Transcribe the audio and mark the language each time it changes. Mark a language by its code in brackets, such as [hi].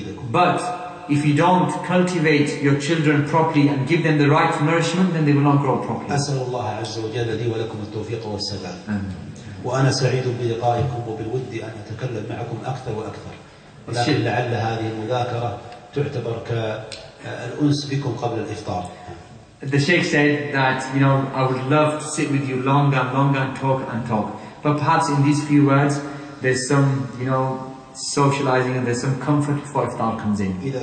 [en] But if you don't cultivate your children properly and give them the right nourishment, then they will not grow properly. [ar] أسأل الله عز وجل لي ولكم التوفيق والسداد. وأنا سعيد بلقائكم وبالود أن أتكلم معكم أكثر وأكثر. ولكن لعل هذه المذاكرة تعتبر كالأنس بكم قبل الإفطار. [en] The Sheikh said that, you know, I would love to sit with you longer and longer and talk. But perhaps in these few words, there's some, you know, socializing and there's some comfort before iftar comes in.